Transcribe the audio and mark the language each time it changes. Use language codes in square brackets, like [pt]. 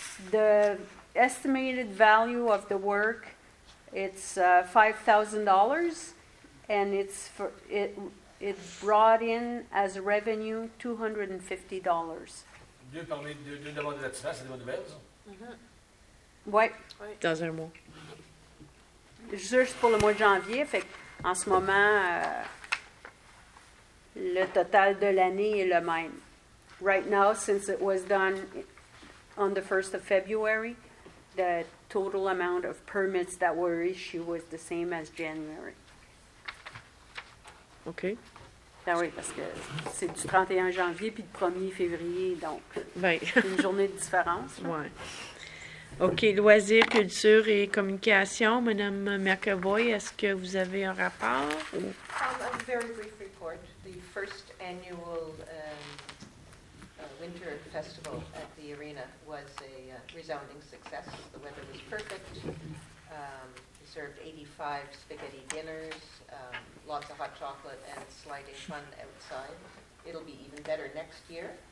[en] The estimated value of the work, it's $5,000 and it brought in as revenue $250. [fr] Deux permis, deux demandes de lotissement, c'est des bonnes nouvelles, ça? Oui. Dans un mois. Juste pour le mois de janvier, fait qu'en ce moment, le total de l'année est le même. [en] Right now, since it was done on the 1st of February, the total amount of permits that were issued was the same as January. OK. [fr] Ah oui, parce que c'est du 31 janvier puis du 1er février, donc c'est une journée de différence. Oui. OK, loisirs, culture et communication. Madame McAvoy, est-ce que vous avez un rapport? Ou? [en] A very brief report. The first annual winter festival at the arena was a resounding success. The weather was perfect. We served 85 spaghetti dinners. Lots of hot chocolate and sliding fun outside. It'll be even better next year.